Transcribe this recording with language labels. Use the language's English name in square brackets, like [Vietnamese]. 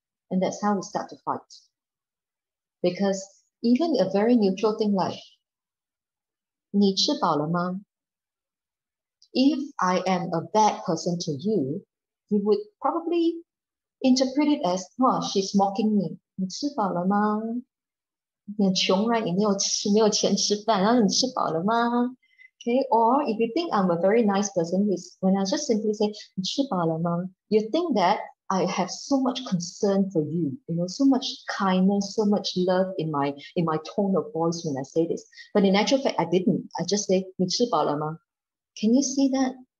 [English] And that's how we start to fight. Because even a very neutral thing like, [Chinese] 你吃饱了吗? [English] If I am a bad person to you, you would probably interpret it as, oh, she's mocking me. [Chinese] 你吃饱了吗?你很穷, [English] right? [Chinese] 你没有钱吃饭,然后你吃饱了吗? [English] Okay, or if you think I'm a very nice person, when I just simply say, [Chinese] 你吃饱了吗? [English] You think that I have so much concern for you, you know, so much kindness, so much love in my tone of voice when I say this. But in actual fact, I didn't. I just say, [Chinese] 你吃饱了吗? [English] Can you see that?